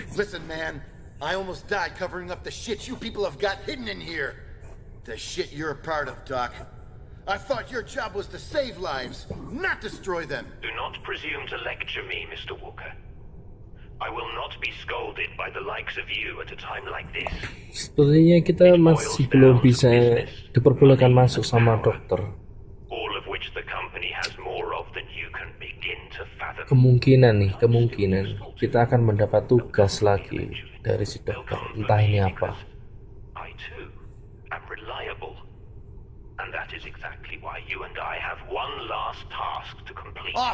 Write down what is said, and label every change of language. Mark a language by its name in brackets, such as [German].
[English] Listen, man, I almost died covering up the shit you people have got hidden in here. The shit you're a part of, Doc. I thought your job was to save lives, not destroy them. Do not presume to lecture me, Mr. Walker. I will not be scolded by the likes of you at a time like this. [Indonesian] Sepertinya kita masih belum bisa diperbolehkan masuk sama dokter. [English] All of which the company has more of than you can begin to fathom. [Indonesian] Kemungkinan nih, kemungkinan kita akan mendapat tugas lagi dari si dokter. Entah ini apa. [English] I too am reliable. And that is exactly why you and I have one last task to complete.